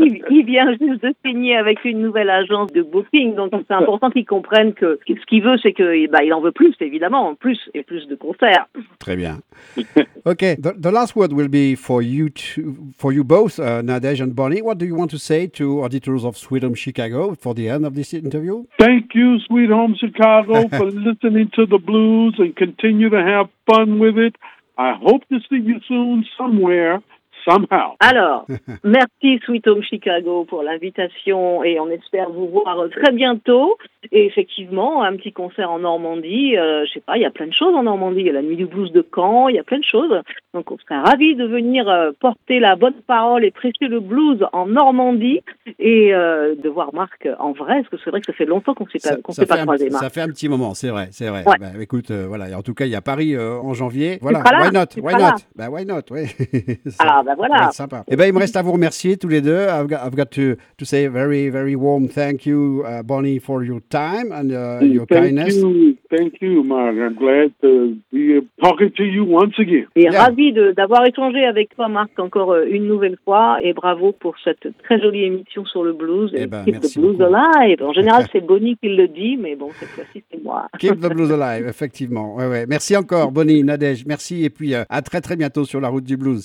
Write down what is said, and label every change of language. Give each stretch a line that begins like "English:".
French: Il vient juste de signer avec une nouvelle agence de booking, donc c'est important qu'ils comprennent que ce qu'il veut, c'est qu'il en veut plus, évidemment, plus et plus de concerts. Très bien.
English: Okay, the last word will be for you two, for you both, Nadege and Bonnie. What do you want to say to auditors of Sweet Home Chicago for the end of this interview? Thank you, Sweet Home Chicago, for listening to the blues and continue to have fun with it. I hope to see you soon somewhere, somehow.
French: Alors, merci Sweet Home Chicago pour l'invitation et on espère vous voir très bientôt. Et effectivement, un petit concert en Normandie, je sais pas, il y a plein de choses en Normandie. Il y a la nuit du blues de Caen, il y a plein de choses. Donc on sera ravis de venir porter la bonne parole et prêcher le blues en Normandie et de voir Marc en vrai. Parce que c'est vrai que ça fait longtemps qu'on ne s'est pas croisé, Marc. Ça fait un petit moment, c'est vrai. Ouais. Bah, écoute, voilà, en tout cas, il y a Paris en janvier. Voilà,
English: why not,
French: oui. Ah, ben voilà. Sympa. Eh ben, il me reste à vous remercier tous les deux.
English: I've got to say very, very warm thank you, Bonnie, for your time and your kindness. Thank you, Marc. I'm glad to be talking to you once again.
French: Et ravi d'avoir échangé avec toi, Marc, encore une nouvelle fois. Et bravo pour cette très jolie émission sur le blues.
English: Keep the blues alive.
French: En général, c'est Bonnie qui le dit, mais bon, cette fois-ci, c'est moi.
English: Keep the blues alive,
French: effectivement. Ouais. Merci encore, Bonnie, Nadège. Merci. Et puis, à très, très bientôt sur la route du blues.